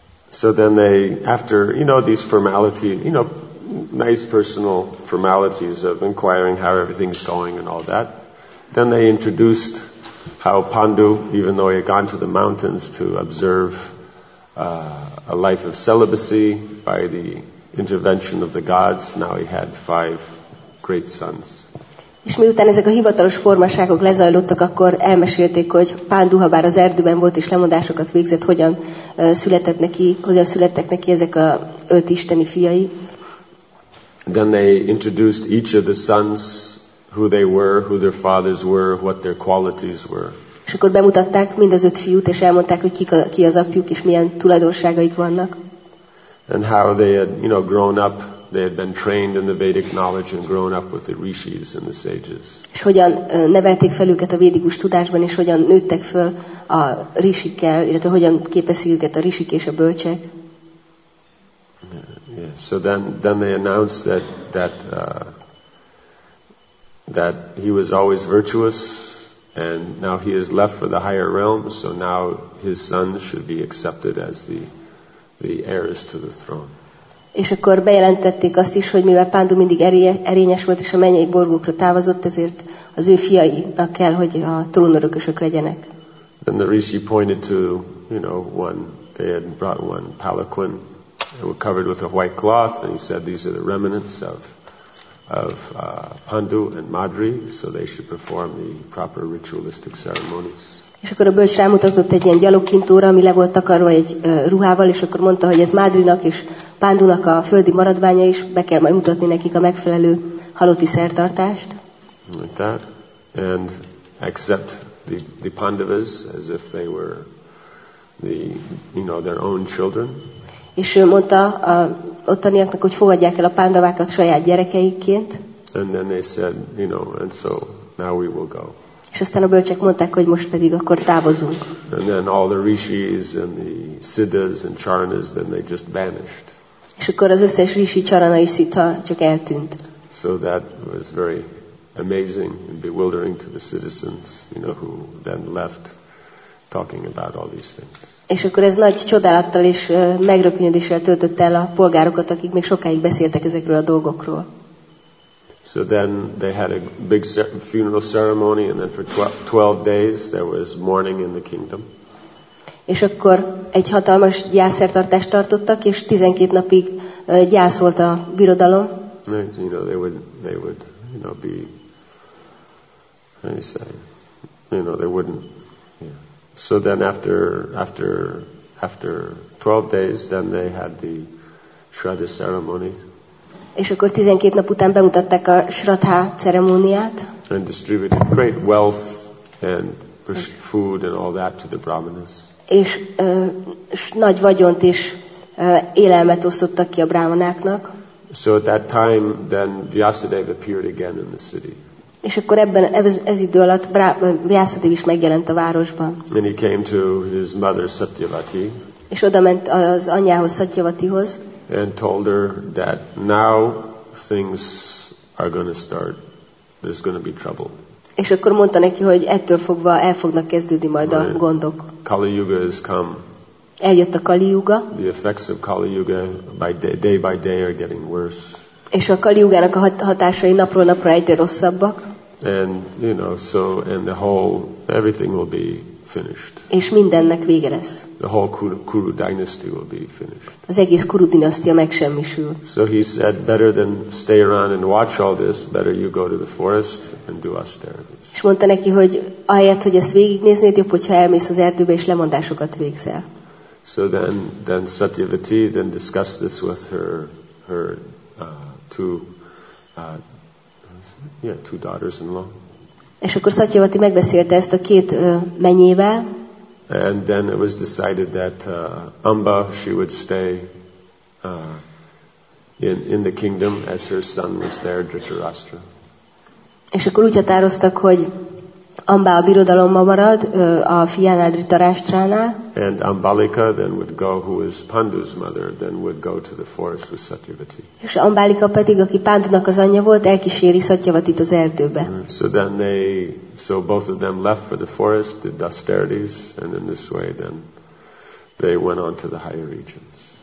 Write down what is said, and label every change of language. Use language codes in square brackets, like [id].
[en] So then they, after, you know, these formalities, you know, nice personal formalities of inquiring how everything's going and all that, then they introduced how Pandu, even though he had gone to the mountains to observe a life of celibacy by the intervention of the gods, now he had five great sons. [hu] És miután ezek a hivatalos formaságok lezajlottak, akkor elmesélték, hogy Pánduha bár az erdőben volt és lemondásokat végzett, hogyan születtek neki ezek a öt isteni fiai. [en] Then they introduced each of the sons, who they were, who their fathers were, what their qualities were. [hu] És akkor bemutatták mind az öt fiút, és elmondták, hogy ki az apjuk és milyen tulajdonságaik vannak. [en] And how they had, you know, grown up. They had been trained in the Vedic knowledge and grown up with the rishis and the sages. [hu] És hogyan nevelték fel őket a védikus tudásban, és hogyan nőttek föl a rishikkel, illetve hogyan képezték őket a rishik és a bölcsek? [en] Yeah. So then they announced that he was always virtuous, and now he is left for the higher realm. So now his sons should be accepted as the heirs to the throne. [hu] És akkor bejelentették azt is, hogy mivel Pándu mindig erényes volt, és a mennyei borgókra távozott, ezért az ő fiainak kell, hogy a trónörökösök legyenek. [en] Then the rishi pointed to, you know, one, they had brought one palanquin, they were covered with a white cloth, and he said, these are the remnants of Pándu and Madri, so they should perform the proper ritualistic ceremonies. [hu] És akkor a bölcs rámutatott egy ilyen gyalogkintóra, ami le volt takarva egy ruhával, és akkor mondta, hogy ez Madrinak és Pándunak a földi maradványa is, be kell majd mutatni nekik a megfelelő halotti szertartást. [en] Like that. And accept the Pandavas as if they were the, you know, their own children. [hu] És mondta a ottaniaknak, hogy fogadják el a Pándavákat saját gyerekeiként. [en] And then they said, you know, and so now we will go. [hu] És aztán a bölcsek mondták, hogy most pedig akkor távozunk. [en] And then all the rishis and the siddhas and charanas, then they just vanished. [hu] És akkor az összes rishi, charana és siddha csak eltűnt. [en] So that was very amazing and bewildering to the citizens, you know, who then left talking about all these things. [hu] És akkor ez nagy csodálattal és megrökönyödéssel töltött el a polgárokat, akik még sokáig beszéltek ezekről a dolgokról. [en] So then they had a big funeral ceremony, and then for 12 days there was mourning in the kingdom. [hu] És akkor egy hatalmas gyászszertartást tartottak, és 12 napig gyászolt a birodalom. [en] And, you know, they would, you know, be, how do you say, you know, they wouldn't. Yeah. So then after 12 days, then they had the Shraddha ceremony. [hu] És akkor 12 nap után bemutatták a Shraddha ceremóniát. [en] And distributed great wealth and food and all that to the brahmanas. [hu] És nagy vagyont és élelmet osztottak ki a brahmanáknak. [en] So at that time then Vyasadeva appeared again in the city. [hu] És akkor ebben ez idő alatt Vyasadev is megjelent a városban. [en] And he came to his mother Satyavati. [hu] És oda ment az anyjához, Satyavatihoz. [en] And told her that now things are going to start. There's going to be trouble. [hu] És akkor mondta neki, hogy ettől fogva el fognak kezdődni majd a gondok. [en] Kali Yuga has come. [hu] Eljött a Kali Yuga. [en] The effects of Kali Yuga day by day are getting worse. [hu] És a Kali Yugának a hatásai napról napra egyre rosszabbak. [en] And, you know, so, and the whole, everything will be finished. [hu] És mindennek vége lesz. [en] The whole Kuru dynasty will be finished. [hu] Az egész Kuru dinasztia megsemmisül. [en] So he said, better than stay around and watch all this, better you go to the forest and do austerities. [hu] És mondta neki, hogy ahelyett, hogy ezt végignéznéd, jobb, hogyha elmész az erdőbe és lemondásokat végzel. [en] So then Satyavati then discussed this with her two daughters-in-law. [hu] És akkor Satyavati megbeszélte ezt a két menyével. [en] And then it was decided that Amba, she would stay in the kingdom as her son was there, Dhritarashtra. [hu] És akkor úgy határoztak, hogy Amba a birodalomba marad, a fiánál, Dhritarashtránál. [en] And Ambalika then would go, who is Pandu's mother, then would go to the forest with Satyavati. [hu] És Ambalika pedig, aki Pándunak az anyja volt, elkíséri Satyavatit az erdőbe. [en] So then so both of them left for the forest, did austerities, and in this way then they went on to the higher regions.